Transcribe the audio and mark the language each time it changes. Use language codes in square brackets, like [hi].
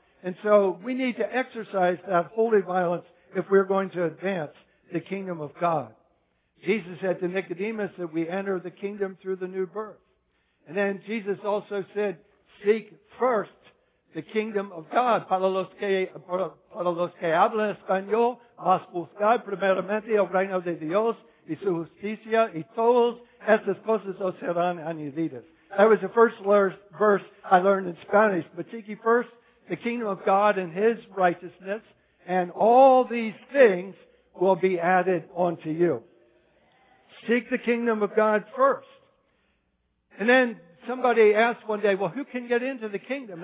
[en] And so we need to exercise that holy violence if we're going to advance the kingdom of God. Jesus said to Nicodemus that we enter the kingdom through the new birth. And then Jesus also said, seek first the kingdom of God. [es] Para los que hablan español, más buscar primeramente el reino de Dios y su justicia y todas estas cosas os serán añadidas. [en] That was the first verse I learned in Spanish. But seek ye first the kingdom of God and his righteousness, and all these things will be added unto you. Seek the kingdom of God first. And then somebody asked one day, well, who can get into the kingdom?